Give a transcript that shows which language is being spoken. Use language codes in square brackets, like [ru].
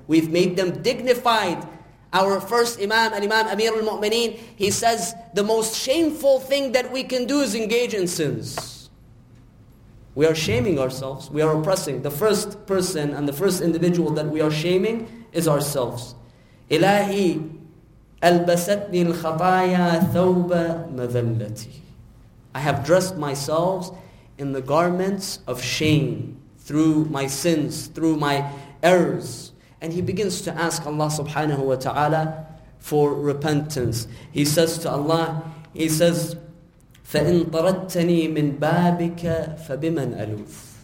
[en] We've made them dignified. Our first Imam, Imam Amir al-Mu'mineen, he says, the most shameful thing that we can do is engage in sins. We are shaming ourselves. We are oppressing. The first person and the first individual that we are shaming is ourselves. [ar] إلهي ألبستني الخطايا ثوب مذلتي. [en] I have dressed myself in the garments of shame through my sins, through my errors. And he begins to ask Allah subhanahu wa ta'ala for repentance. He says to Allah, he says, [ar] فَإِن طَرَدْتَنِي مِن بَابِكَ فَبِمَنْ أَلُوفُ.